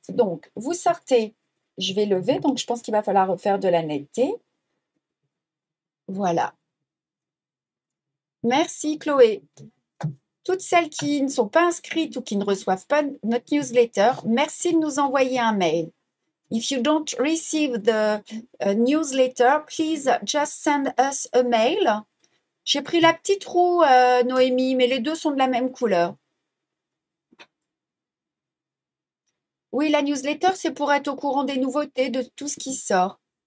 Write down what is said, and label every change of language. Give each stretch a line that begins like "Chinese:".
French: Donc, vous sortez, je vais lever, donc je pense qu'il va falloir refaire de la netteté. Voilà. Merci Chloé. Toutes celles qui ne sont pas inscrites ou qui ne reçoivent pas notre newsletter, merci de nous envoyer un mail.
English: If you don't receive the newsletter, please just send us a mail.
French: J'ai pris la petite roue, Noémie, mais les deux sont de la même couleur. Oui, la newsletter, c'est pour être au courant des nouveautés, de tout ce qui sort.